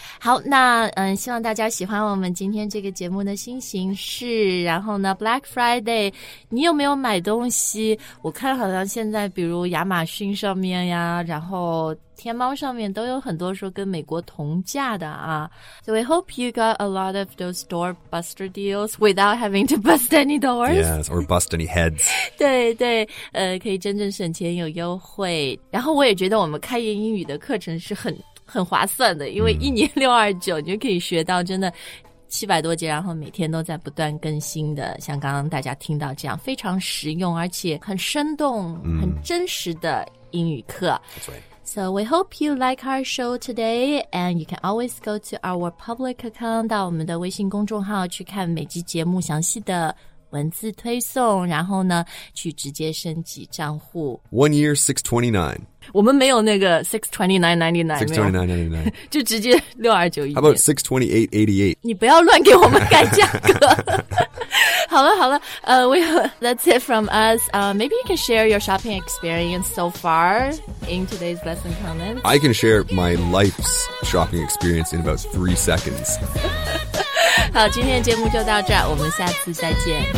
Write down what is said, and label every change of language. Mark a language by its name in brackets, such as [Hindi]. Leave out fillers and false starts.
[Chinese] 好，那嗯，希望大家喜欢我们今天这个节目的新形式。然后呢 Black Friday 你有没有买东西？我看好像现在比如亚马逊上面呀，然后天猫上面都有很多说跟美国同价的啊。 [English] So we hope you got a lot of those door buster deals without having to bust any doors. Yes, or bust any heads. [Chinese] 对对、可以真正省钱有优惠。然后我也觉得我们开言英语的课程是很划算的，因为一年629你就可以学到真的700多节，然后每天都在不断更新的，像刚刚大家听到这样非常实用而且很生动、mm. 很真实的英语课。 [English] That's right. So we hope you like our show today, and you can always go to our public account, [Chinese] 到我们的微信公众号去看每集节目详细的文字推送，然后呢，去直接升级账户。 [English] 1 year, 629. [Chinese] 我们没有那个 629999. 629999. 就直接629一年。 [English] How about 628888? [Chinese] 你不要乱给我们改价格。好了好了、 [English] that's it from us.、maybe you can share your shopping experience so far in today's lesson comments. I can share my life's shopping experience in about 3 seconds. [Chinese] 好，今天的节目就到这儿，我们下次再见。